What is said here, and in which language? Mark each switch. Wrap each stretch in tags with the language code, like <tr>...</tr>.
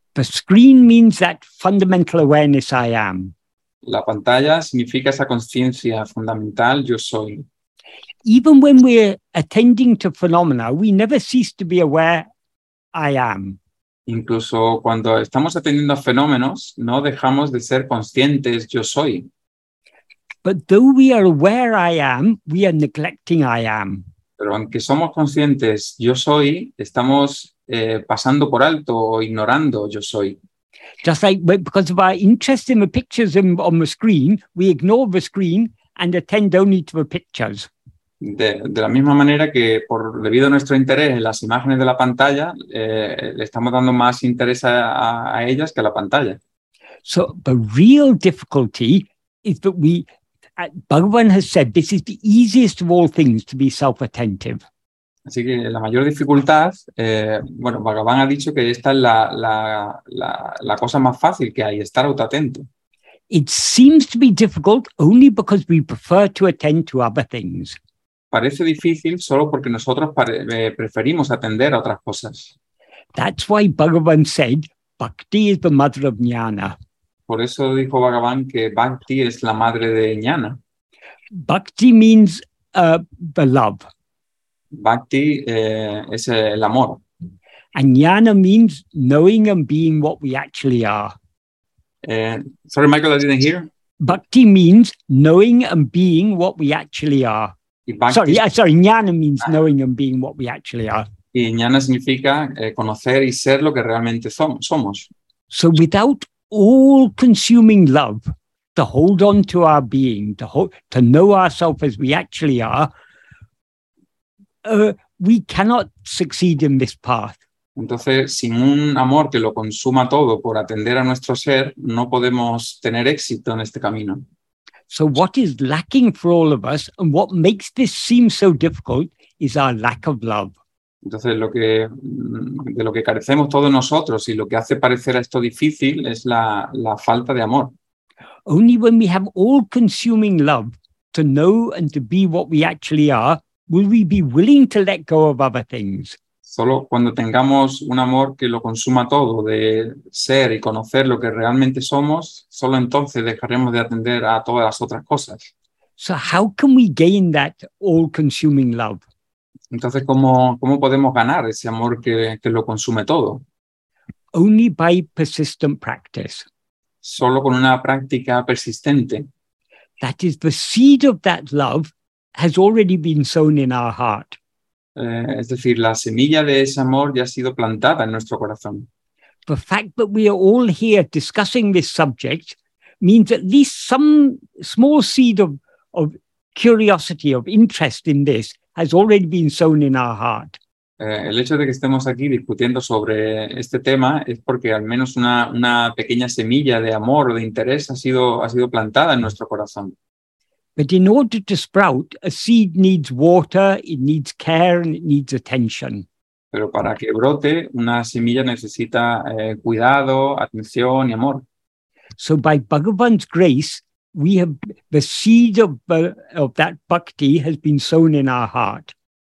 <en>The screen means that fundamental awareness I am.</en> <es>La pantalla significa esa conciencia fundamental, yo soy.</es> <en>Even when we're attending to phenomena, we never cease to be aware I am.</en> <es>Incluso cuando estamos atendiendo a fenómenos, no dejamos de ser conscientes, yo soy.</es> <en>But though we are aware I am, we are neglecting I am.</en> <es>Pero aunque somos conscientes, yo soy, estamos pasando por alto o ignorando yo soy.</es> <en>Just like because of our interest in the pictures on the screen, we ignore the screen and attend only to the pictures.</en> <es>De la misma manera que debido a nuestro interés en las imágenes de la pantalla, le estamos dando más interés a ellas que a la pantalla.</es> <en>So the real difficulty is that Bhagavan has said this is the easiest of all things to be self-attentive.</en> <es>Así que la mayor dificultad, Bhagavan ha dicho que esta es la cosa más fácil que hay, estar autoatento.</es> <en>It seems to be difficult only because we prefer to attend to other things.</en> <es>Parece difícil solo porque nosotros preferimos atender a otras cosas.</es> <en>That's why Bhagavan said, Bhakti is the mother of jnana.</en> <es>Por eso dijo Bhagavan que Bhakti es la madre de jnana.</es> <en>Bhakti means the love.</en> <es>Bhakti es el amor.</es> <en>And jnana means knowing and being what we actually are. Sorry, Michael, I didn't hear. Bhakti means knowing and being what we actually are. Jnana means knowing and being what we actually are.</en> <es>Y jnana significa conocer y ser lo que realmente somos.</es> <en>So without all-consuming love to hold on to our being, to know ourselves as we actually are, we cannot succeed in this path.</en> <es>Entonces, sin un amor que lo consuma todo por atender a nuestro ser, no podemos tener éxito en este camino.</es> <en>So what is lacking for all of us and what makes this seem so difficult is our lack of love.</en> <es>Entonces, de lo que carecemos todos nosotros y lo que hace parecer a esto difícil es la falta de amor.</es> <en>Only when we have all-consuming love to know and to be what we actually are, will we be willing to let go of other things.</en> <es>Solo cuando tengamos un amor que lo consuma todo, de ser y conocer lo que realmente somos, solo entonces dejaremos de atender a todas las otras cosas.</es> <en>So how can we gain that all-consuming love?</en> <es>Entonces, ¿cómo podemos ganar ese amor que lo consume todo?</es> <en>Only by persistent practice.</en> <es>Solo con una práctica persistente.</es> <en>That is, the seed of that love has already been sown in our heart.</en> <es>Es decir, la semilla de ese amor ya ha sido plantada en nuestro corazón.</es> <en>The fact that we are all here discussing this subject means at least some small seed of curiosity, of interest in this, has already been sown in our heart.</en> <es>El hecho de que estemos aquí discutiendo sobre este tema es porque al menos una pequeña semilla de amor o de interés ha sido plantada en nuestro corazón.</es> <en>But in order to sprout, a seed needs water, it needs care, and it needs attention.</en> <es>Pero para que brote, una semilla necesita cuidado, atención y amor.</es> <en>So by Bhagavan's grace, we have the seed of that bhakti has been sown in our heart.</en>